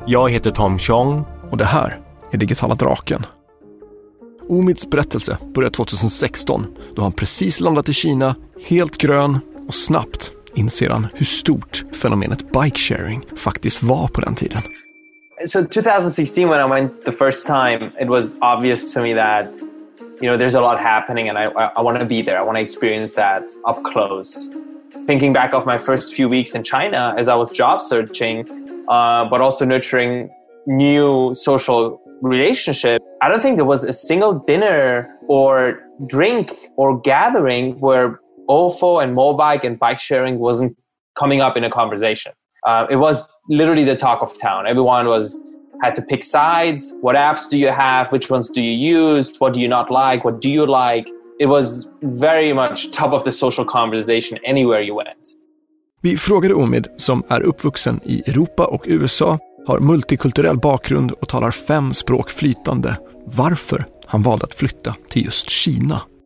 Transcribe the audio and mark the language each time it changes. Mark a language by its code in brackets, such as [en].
[sv] Jag heter Tom Chong. Och det här är Digitala draken. Omids berättelse började 2016 då han precis landat i Kina, helt grön, och snabbt inser han hur stort fenomenet bike sharing faktiskt var på den tiden. [en] So 2016 when I went the first time, it was obvious to me that, you know, there's a lot happening and I want to be there. I want to experience that up close. Thinking back of my first few weeks in China as I was job searching, but also nurturing new social relationship. I don't think there was a single dinner or drink or gathering where Ofo and mobike and bike sharing wasn't coming up in a conversation. It was literally the talk of town. Everyone was had to pick sides. What apps do you have? Which ones do you use? What do you not like? What do you like? It was very much top of the social conversation anywhere you went. [sv] Vi frågade Omid, som är uppvuxen i Europa och USA, har multikulturell bakgrund och talar 5 språk flytande, varför han valde att flytta till just Kina.